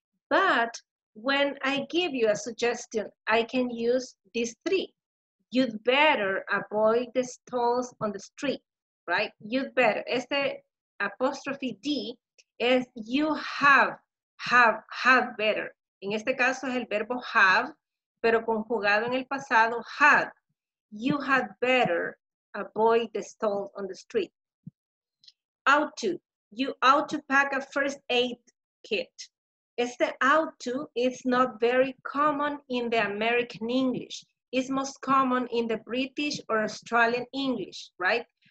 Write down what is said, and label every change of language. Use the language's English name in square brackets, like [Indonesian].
[English] But when I give you a suggestion, I can use these three. You'd better avoid the stalls on the street. Right, you'd better, este apostrophe D is you have better. [Spanish] En este caso es el verbo have, pero conjugado en el pasado, had. [English] You had better avoid the stalls on the street. Ought to, you ought to pack a first aid kit. Este ought to is not very common in the American English. It's most common in the British or Australian English, right?